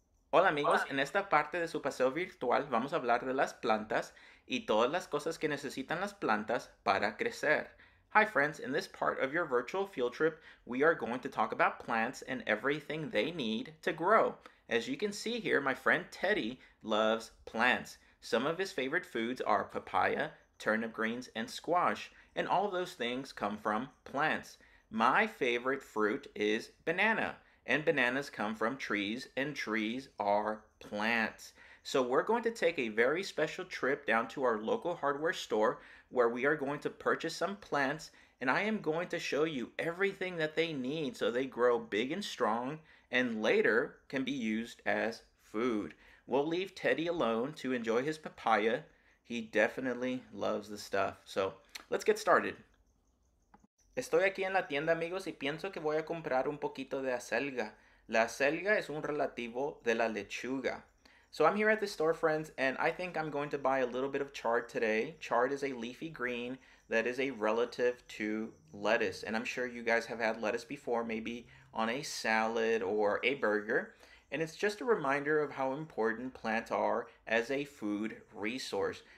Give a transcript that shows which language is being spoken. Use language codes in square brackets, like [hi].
[es] Hola amigos, en esta parte de su paseo virtual vamos a hablar de las plantas y todas las cosas que necesitan las plantas para crecer. [en] Hi friends, in this part of your virtual field trip, we are going to talk about plants and everything they need to grow. As you can see here, my friend Teddy loves plants. Some of his favorite foods are papaya, turnip greens, and squash, and all of those things come from plants. My favorite fruit is banana. And bananas come from trees, and trees are plants. So we're going to take a very special trip down to our local hardware store where we are going to purchase some plants, and I am going to show you everything that they need so they grow big and strong and later can be used as food. We'll leave Teddy alone to enjoy his papaya. He definitely loves the stuff. So let's get started. [es] Estoy aquí en la tienda, amigos, y pienso que voy a comprar un poquito de acelga. La acelga es un relativo de la lechuga. [en] So I'm here at the store, friends, and I think I'm going to buy a little bit of chard today. Chard is a leafy green that is a relative to lettuce. And I'm sure you guys have had lettuce before, maybe on a salad or a burger. And it's just a reminder of how important plants are as a food resource.